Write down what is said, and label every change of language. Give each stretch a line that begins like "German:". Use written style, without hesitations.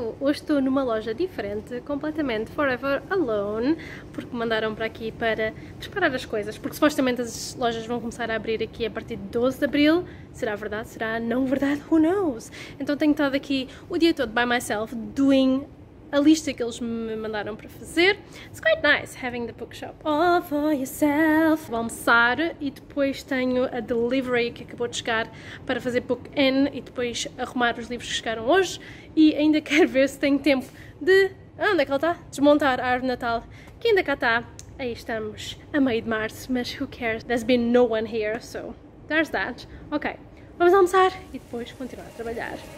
Portuguese: Hoje estou numa loja diferente, completamente forever alone, porque me mandaram para aqui para preparar as coisas, porque supostamente as lojas vão começar a abrir aqui a partir de 12 de Abril. Será verdade? Será não verdade?
English: Who knows?
Portuguese: Então tenho estado aqui o dia todo
English: by myself doing
Portuguese: a lista que eles me mandaram para fazer.
English: It's quite nice having the bookshop all for yourself.
Portuguese: Vou almoçar e depois tenho a delivery que acabou de chegar para fazer book in e depois arrumar os livros que chegaram hoje. E ainda quero ver se tenho tempo de... Ah, onde é que ela está? Desmontar a árvore de Natal, que ainda cá está. Aí estamos, a meio de março, mas
English: who cares? There's been no one here, so there's that.
Portuguese: Ok, vamos almoçar e depois continuar a trabalhar.